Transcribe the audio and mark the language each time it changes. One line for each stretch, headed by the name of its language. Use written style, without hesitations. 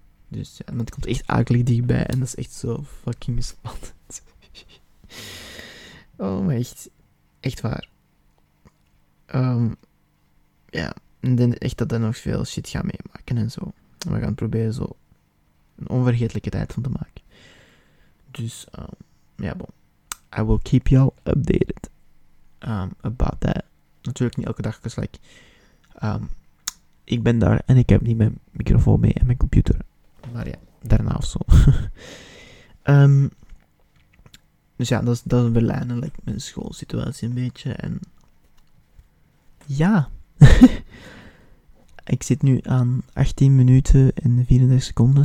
Dutch: Dus ja, dat komt echt akelig dichtbij en dat is echt zo fucking spannend. Oh, maar echt, echt waar. Ja, ik denk echt dat er nog veel shit gaat meemaken en zo. We gaan proberen zo een onvergetelijke tijd van te maken.
English: Dus, I will keep y'all updated about that.
Dutch: Natuurlijk niet elke dag, dus like, ik ben daar en ik heb niet mijn microfoon mee en mijn computer. Maar ja, daarna of zo. Dus ja, dat is Berlijn en like, mijn schoolsituatie een beetje. En ja, ik zit nu aan 18 minuten en 34 seconden.